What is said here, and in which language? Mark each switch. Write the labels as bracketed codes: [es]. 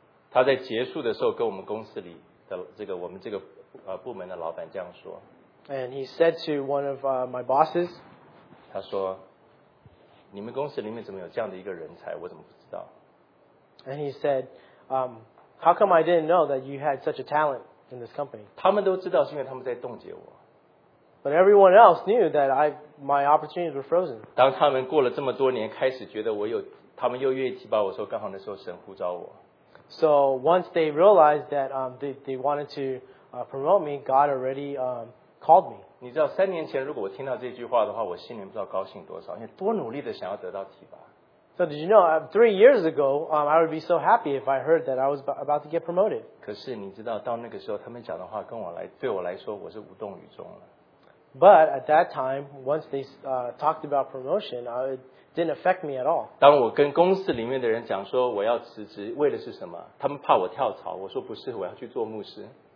[zh] 他在结束的时候跟我们公司里的这个我们这个部门的老板这样说 [en] ，And he said to one of my bosses， [zh] 他说。你们公司里面怎么有这样的一个人才？我怎么不知道 [en] ？And he said, how come I didn't know that you had such a talent in this company? [zh] 他们都知道是因为他们在冻结我。 [en] But everyone else knew that my opportunities were frozen. [zh] 当他们过了这么多年，开始觉得我有，他们又愿意提拔我说，刚好那时候神呼召我。 [en] So once they realized that they wanted to promote me, God already called me. [zh] 你知道三年前如果我听到这句话的话，我心里不知道高兴多少，因为多努力的想要得到提拔。 [en] So did you know three years ago, I would be so happy if I heard that I was about to get promoted. [zh] 可是你知道到那个时候，他们讲的话跟我来对我来说，我是无动于衷了。 [en] But at that time, once they talked about promotion, it didn't affect me at all. [zh] 当我跟公司里面的人讲说我要辞职，为的是什么？他们怕我跳槽，我说不是，我要去做牧师。